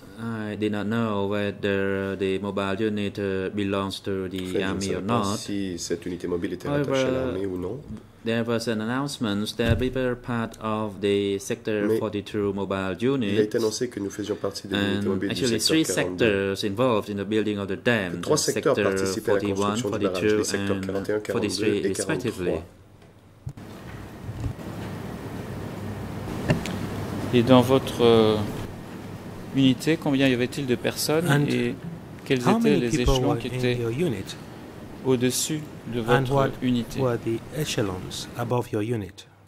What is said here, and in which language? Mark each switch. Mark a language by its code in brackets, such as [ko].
[en] I did not know whether the mobile unit belongs to the army or not. [fr] Si cette unité mobile était rattachée à l'armée ou non. [en] There was an announcement that we were part of the sector 42 mobile unit. [fr] Il a été annoncé que nous faisions partie de l'unité mobile du secteur 42. [en] Three sectors involved in the building of the dam. [fr] Trois secteurs sector participaient à la construction 41, 42, du barrage, les secteurs 41, 42 43 et 43. Et dans votre unité, combien y avait-il de personnes et quels étaient les échelons qui étaient au-dessus de votre unité? [en] And what were the echelons above your unit?